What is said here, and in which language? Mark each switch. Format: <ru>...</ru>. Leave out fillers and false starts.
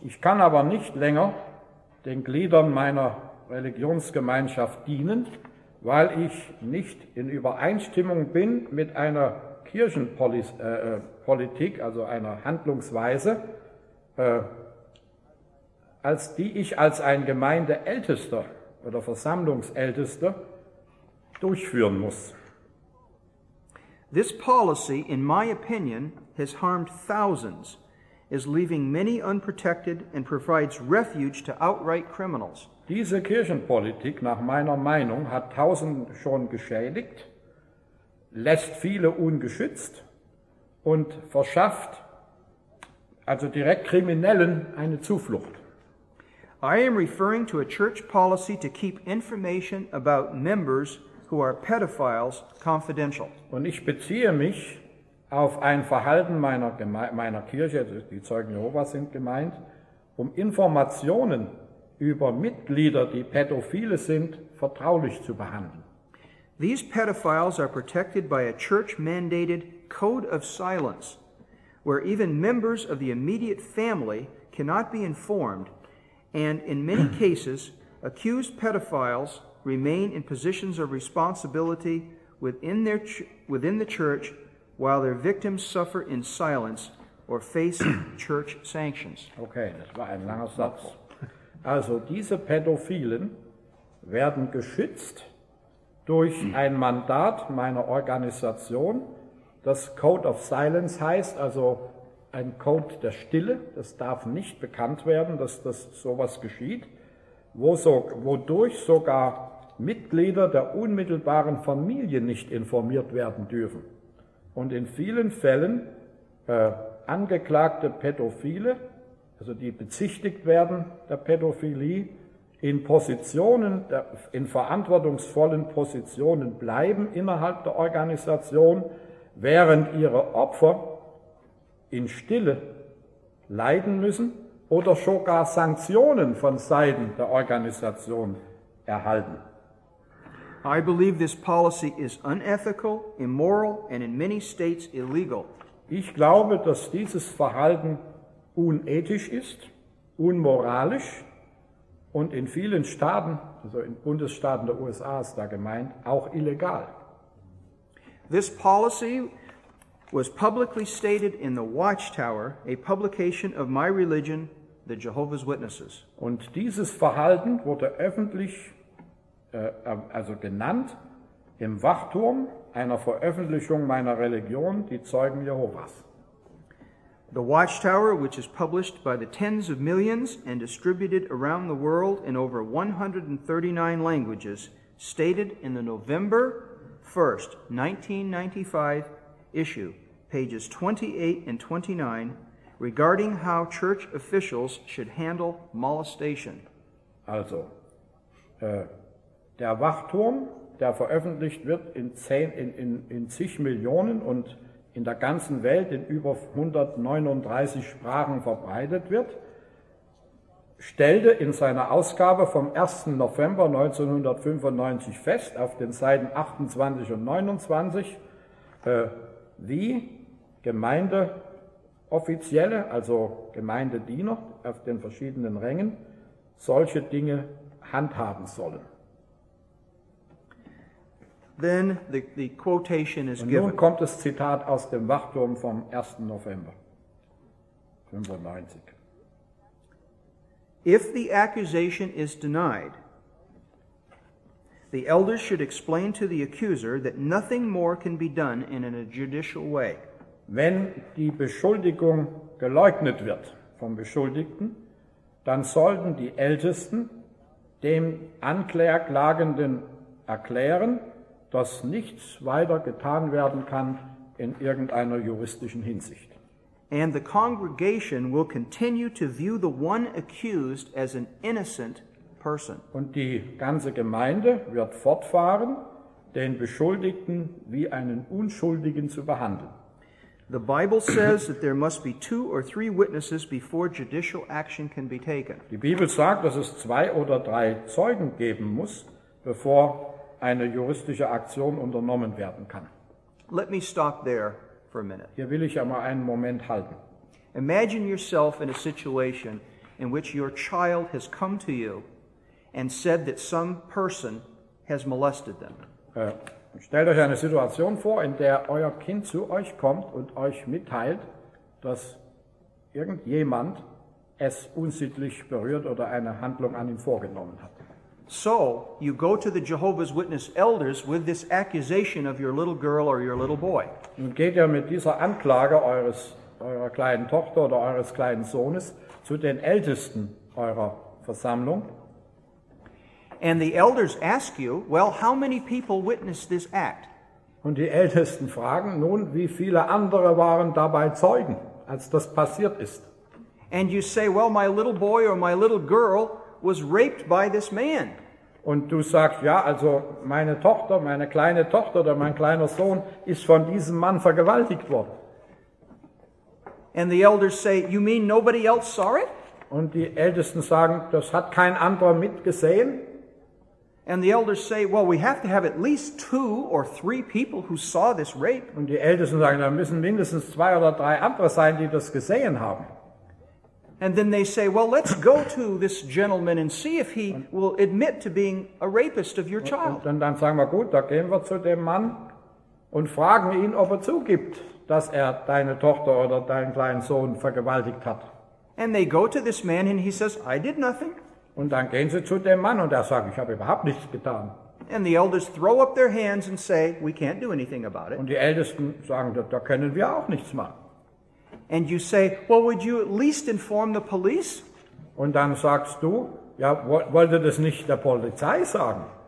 <de>Ich kann aber nicht länger den Gliedern meiner Religionsgemeinschaft dienen, weil ich nicht in Übereinstimmung bin mit einer Kirchenpolitik, also einer Handlungsweise, als die ich als ein Gemeindeältester oder Versammlungsältester durchführen muss.</de> <en>This policy, in my opinion, has harmed thousands, is leaving many unprotected and provides refuge to outright criminals.</en> <de>Diese Kirchenpolitik, nach meiner Meinung, hat Tausende schon geschädigt, lässt viele ungeschützt und verschafft also direkt Kriminellen eine Zuflucht.</de> <en>I am referring to a church policy to keep information about members who are pedophiles confidential.</en> <de>Und ich beziehe mich auf ein Verhalten meiner Kirche, die Zeugen Jehovas sind gemeint, um Informationen über Mitglieder, die Pädophile sind, vertraulich zu behandeln.</de> <en>These pedophiles are protected by a church-mandated code of silence, where even members of the immediate family cannot be informed, and in many cases, accused pedophiles remain in positions of responsibility within the church while their victims suffer in silence or face church sanctions.</en> <de>Okay, das war ein langer Satz. Also, diese Pädophilen werden geschützt durch ein Mandat meiner Organisation, das Code of Silence heißt, also ein Code der Stille. Das darf nicht bekannt werden, dass das sowas geschieht, wodurch sogar Mitglieder der unmittelbaren Familie nicht informiert werden dürfen. Und in vielen Fällen angeklagte Pädophile, also die bezichtigt werden der Pädophilie, in verantwortungsvollen Positionen bleiben innerhalb der Organisation, während ihre Opfer in Stille leiden müssen oder sogar Sanktionen von Seiten der Organisation erhalten.</de> <en>I believe this policy is unethical, immoral and in many states illegal.</en> <de>Ich glaube, dass dieses Verhalten unethisch ist, unmoralisch und in vielen Staaten, also in Bundesstaaten der USA ist da gemeint, auch illegal.</de> <en>This policy was publicly stated in the Watchtower, a publication of my religion, the Jehovah's Witnesses.</en> <de>Und dieses Verhalten wurde öffentlich also genannt im Wachturm einer Veröffentlichung meiner Religion, die Zeugen Jehovas.</de> <en>The Watchtower, which is published by the tens of millions and distributed around the world in over 139 languages, stated in the November 1st, 1995 issue, pages 28 and 29, regarding how church officials should handle molestation.</en> <de>Also, der Wachturm, der veröffentlicht wird in zig Millionen und in der ganzen Welt in über 139 Sprachen verbreitet wird, stellte in seiner Ausgabe vom 1. November 1995 fest, auf den Seiten 28 und 29, wie Gemeindeoffizielle, also Gemeindediener auf den verschiedenen Rängen, solche Dinge handhaben sollen.</de> <en>Then the quotation is</en> <de>und</de> <en>given.</en> <de>Nun kommt das Zitat aus dem Wachturm vom 1. November 1995.</de> <en>If the accusation is denied, the elders should explain to the accuser that nothing more can be done in a judicial way.</en> <de>Wenn die Beschuldigung geleugnet wird vom Beschuldigten, dann sollten die Ältesten dem Anklagenden erklären, dass nichts weiter getan werden kann in irgendeiner juristischen Hinsicht.</de> <en>And the congregation will continue to view the one accused as an innocent person.</en> <de>Und die ganze Gemeinde wird fortfahren, den Beschuldigten wie einen Unschuldigen zu behandeln.</de> <en>The Bible says that there must be two or three witnesses before judicial action can be taken.</en> <de>Die Bibel sagt, dass es zwei oder drei Zeugen geben muss, bevor eine juristische Aktion unternommen werden kann.</de> <en>Let me stop there for a minute.</en> <de>Hier will ich einmal einen Moment halten.</de> <en>Imagine yourself in a situation in which your child has come to you and said that some person has molested them.</en> <de>Stellt euch eine Situation vor, in der euer Kind zu euch kommt und euch mitteilt, dass irgendjemand es unsittlich berührt oder eine Handlung an ihm vorgenommen hat.</de> <en>So, you go to the Jehovah's Witness elders with this accusation of your little girl or your little boy.</en> <de>Nun geht ihr mit dieser Anklage eurer kleinen Tochter oder eures kleinen Sohnes zu den Ältesten eurer Versammlung.</de> <en>And the elders ask you, well, how many people witnessed this act?</en> <de>Und die Ältesten fragen, nun, wie viele andere waren dabei Zeugen, als das passiert ist?</de> <en>And you say, well, my little boy or my little girl was raped by this man.</en> <de>Und du sagst, ja, also meine Tochter, meine kleine Tochter oder mein kleiner Sohn ist von diesem Mann vergewaltigt worden.</de> <en>And the elders say, you mean nobody else saw it?</en> <de>Und die Ältesten sagen, das hat kein anderer mitgesehen.</de> <en>And the elders say, well, we have to have at least two or three people who saw this rape.</en> <de>Und die Ältesten sagen, da müssen mindestens zwei oder drei andere sein, die das gesehen haben.</de> <en>And then they say, well, let's go to this gentleman and see if he will admit to being a rapist of your child.</en> <de>Und dann sagen wir, gut, da gehen wir zu dem Mann und fragen ihn, ob er zugibt, dass deine Tochter oder deinen kleinen Sohn vergewaltigt hat.</de> <en>And they go to this man and he says, I did nothing.</en> <de>Und dann gehen sie zu dem Mann und sagt, ich habe überhaupt nichts getan.</de> <en>And the elders throw up their hands and say, we can't do anything about it.</en> <de>Und die Ältesten sagen, da können wir auch nichts machen.</de> <en>And you say, well, would you at least inform the police?</en> <de>Und dann sagst du, ja, wollt ihr das nicht der Polizei sagen?</de>